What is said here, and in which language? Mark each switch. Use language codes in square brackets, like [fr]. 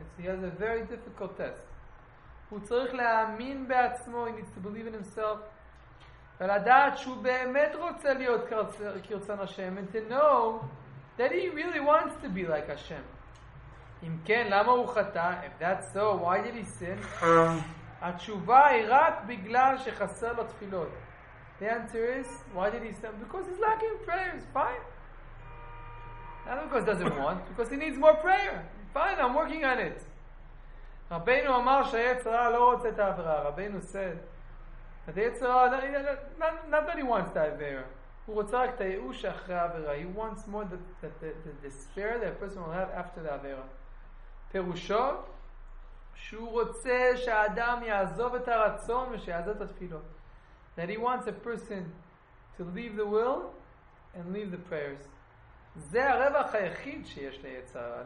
[en] He has a very difficult test. [he] הוא צריך להאמין בעצמו, [en] he needs to believe in himself, [he] ולדעת שהוא באמת רוצה להיות כרצון השם, [en] and to know that he really wants to be like השם. [he] אם כן, למה הוא חטא? [en] If that's so, why did he sin? [he] התשובה היא רק בגלל שחסר לו תפילות. [en] The answer is, why did he sin? Because he's lacking prayer, it's fine. Not because he doesn't want, because he needs more prayer. Fine, I'm working on it. [he] רבינו אמר שהיצר הרע לא רוצה את העבירה. [en] רבינו said, that the יצר הרע, not that he wants that there. [he] הוא רוצה רק את הייאוש אחרי העבירה. [en] He wants more the despair that a person will have after the עבירה. [he] פירושו, שהוא רוצה שהאדם יעזוב את הרצון ושיעזוב את התפילות. [en] That he wants a person to leave the will and leave the prayers. [he] זה הרווח היחיד שיש ליצר הרע.